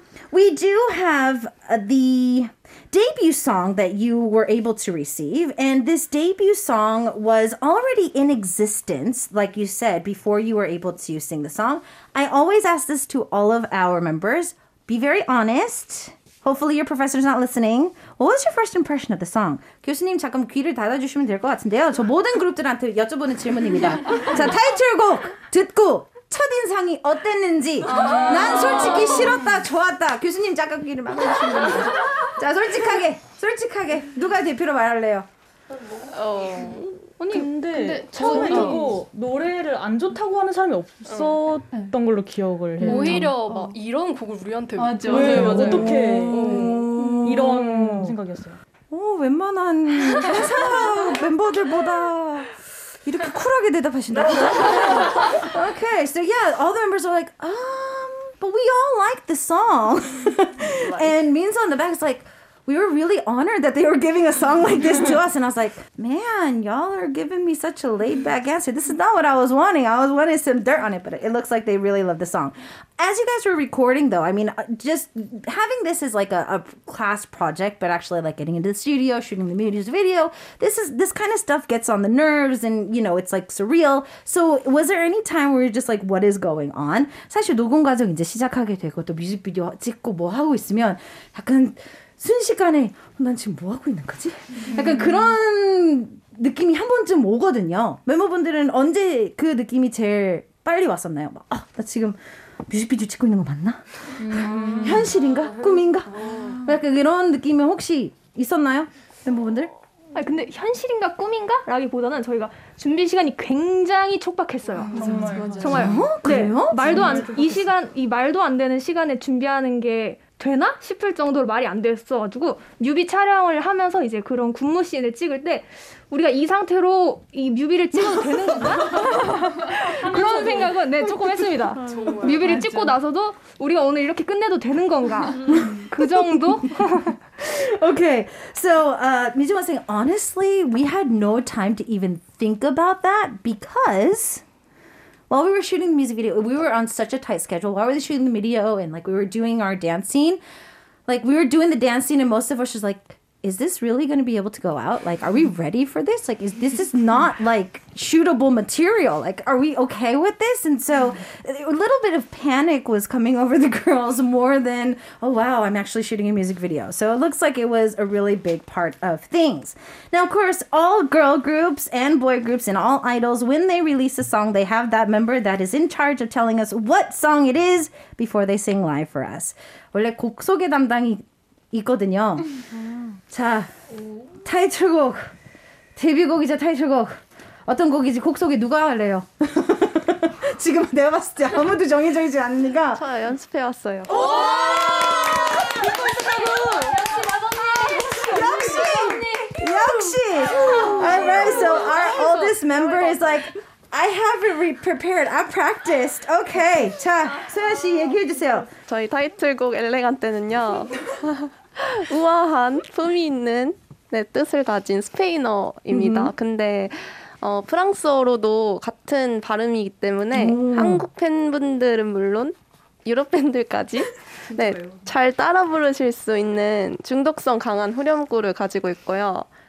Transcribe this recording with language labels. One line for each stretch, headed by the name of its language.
English: We do have the debut song that you were able to receive, and this debut song was already in existence, like you said, before you were able to sing the song. I always ask this to all of our members, be very honest. Hopefully your professor's not listening. What was your first impression of the song?
Korean: 교수님 잠깐 귀를 닫아주시면 될 것 같은데요. 저 모든 그룹들한테 여쭤보는 질문입니다. 자, 타이틀곡 듣고 첫인상이 어땠는지. 난 솔직히 싫었다, 좋았다. 교수님 잠깐 귀를 막아주시면 됩니다. 자, 솔직하게, 솔직하게 누가 대표로 말할래요? 아니, 근데 처음에 듣고 노래를 안 좋다고 하는 사람이 없었던 걸로 기억을 해요. 오히려 막 이런 곡을 우리한테 맞아, 왜, 맞아, 맞아. 어떻게 이런 생각이었어요. 웬만한 회사 멤버들보다 이렇게 쿨하게 대답하신다.
English: Okay, so yeah, all the members are like, but we all like the song. And Minseo on the back is like, we were really honored that they were giving a song like this to us. And I was like, man, y'all are giving me such a laid-back answer. This is not what I was wanting. I was wanting some dirt on it, but it looks like they really love the song. As you guys were recording, though, I mean, just having this as like a class project, but actually like getting into the studio, shooting the music video, this kind of stuff gets on the nerves and, you know, it's like surreal. So was there any time where you're just like, what is going on?
Korean: 사실 녹음 과정 이제 시작하게 되고 또 뮤직비디오 찍고 뭐 하고 있으면 약간 순식간에 난 지금 뭐 하고 있는 거지? 약간 그런 느낌이 한 번쯤 오거든요. 멤버분들은 언제 그 느낌이 제일 빨리 왔었나요? 막, 아, 나 지금 뮤직비디오 찍고 있는 거 맞나? 현실인가? 꿈인가? 약간 이런 느낌은 혹시 있었나요? 멤버분들? 아 근데 현실인가 꿈인가? 라기보다는 저희가 준비 시간이 굉장히 촉박했어요. 정말. 정말. 정말. 그래요? 네, 말도 안, 이 시간, 이 말도 안 되는 시간에 준비하는 게 되나? 싶을 정도로 말이 안 됐어가지고 뮤비 촬영을 하면서 이제 그런 군무 씬을 찍을 때 우리가 이 상태로 이 뮤비를 찍어도 되는 건가? 그런 생각은 네 조금 했습니다. 정말. 뮤비를 맞아. 찍고 나서도 우리가 오늘 이렇게 끝내도 되는 건가? 그 정도?
English: Okay, so Mizuma was saying, honestly, we had no time to even think about that because while we were shooting the music video, we were on such a tight schedule. While we were shooting the video and like we were doing our dance scene, like we were doing the dance scene and most of us was like, is this really going to be able to go out? Like, are we ready for this? Like, is this is not like shootable material. Like, are we okay with this? And so a little bit of panic was coming over the girls more than, oh, wow, I'm actually shooting a music video. So it looks like it was a really big part of things. Now, of course, all girl groups and boy groups and all idols, when they release a song, they have that member that is in charge of telling us what song it is before they sing live for us.
Korean: 원래 곡 소개 담당이 있거든요. 자, 타이틀곡, 데뷔곡이자 타이틀곡. 어떤 곡이지? 곡 소개 누가 할래요? 지금 내가 봤을 때 아무도 정해져 있지 않으니까. 저 연습해 왔어요. 오! 연습하고! 역시 맞았네! 역시! 역시!
English: Alright, so our oldest member is like, I haven't prepared. I practiced. Okay.
Korean: 자, 소연 씨 얘기해 주세요. 저희 타이틀곡 엘레간트는요. 우아한 품이 있는 네, 뜻을 가진 스페인어입니다. 근데 프랑스어로도 같은 발음이기 때문에 한국 팬분들은 물론 유럽 팬들까지 네, 잘 따라 부르실 수 있는 중독성 강한 후렴구를 가지고 있고요.